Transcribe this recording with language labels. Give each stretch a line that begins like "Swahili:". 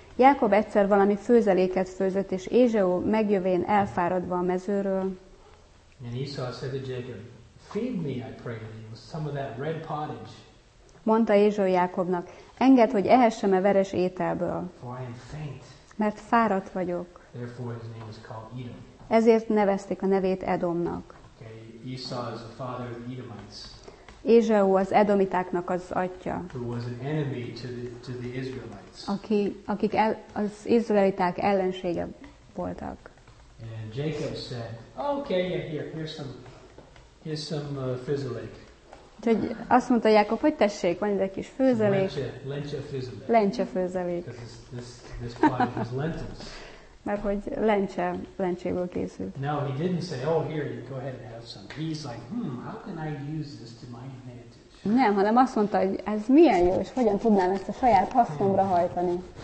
Hungarian: Jákob egyszer valami főzeléket főzött, és Ézsau megjövén elfáradva a mezőről.
English: And Esau said to Jacob, "Feed me, I pray thee, with some of that red pottage."
Hungarian: Mondta Ézsau Jákobnak, "Engedd, hogy ehessem a veres ételből."
English: For I am faint.
Hungarian: Mert fáradt vagyok.
English: Therefore his name was called Edom.
Hungarian: Ezért nevezték a nevét Edomnak.
English: Esau is the father of the Edomites.
Hungarian: Ézsau az edomitáknak az atya.
English: Who was an enemy to the Israelites.
Hungarian: Akik az izraeliták ellensége voltak.
English: And Jacob said, "Okay, yeah, here's some fizzalik."
Hungarian: Úgyhogy azt mondta Jákob, hogy tessék, van egy kis főzelék. Lencse főzelék. This mert hogy lencséből készült.
English: No, he didn't say, "Oh, here, you go ahead and have some." He's like, how can I use this to my advantage?
Hungarian: Nem, hanem azt mondta, hogy ez milyen jó, és hogyan tudnám ezt a saját hasznomra hajtani.